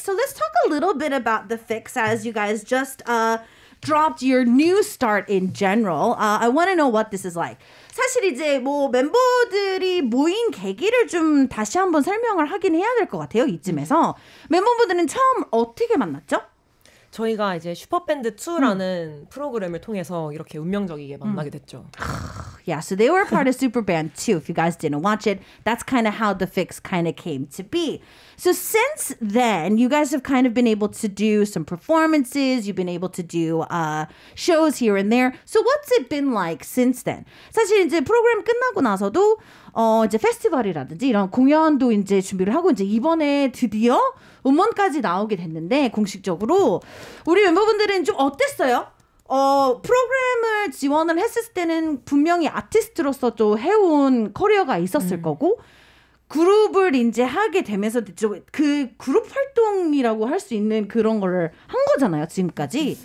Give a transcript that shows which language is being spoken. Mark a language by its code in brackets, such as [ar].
[en] So let's talk a little bit about The Fix as you guys just dropped your new start in general. I want to know what this is like. [ko] 사실 이제 뭐 멤버들이 모인 계기를 좀 다시 한번 설명을 하긴 해야 될 것 같아요, 이쯤에서. 멤버분들은 처음 어떻게 만났죠? 저희가 이제 슈퍼밴드2라는 프로그램을 통해서 이렇게 운명적이게 만나게 됐죠. [en] Yeah, so they were part of Superband 2. If you guys didn't watch it, that's kind of how The Fix kind of came to be. So since then, you guys have kind of been able to do some performances. You've been able to do shows here and there. So what's it been like since then? [ko] 사실 이제 프로그램 끝나고 나서도 이제 페스티벌이라든지 이런 공연도 이제 준비를 하고 이제 이번에 드디어 음원까지 나오게 됐는데 공식적으로 우리 멤버분들은 좀 어땠어요? 프로그램을 지원을 했을 때는 분명히 아티스트로서 또 해온 커리어가 있었을 거고 그룹을 이제 하게 되면서 그 그룹 활동이라고 할 수 있는 그런 거를 한 거잖아요 지금까지.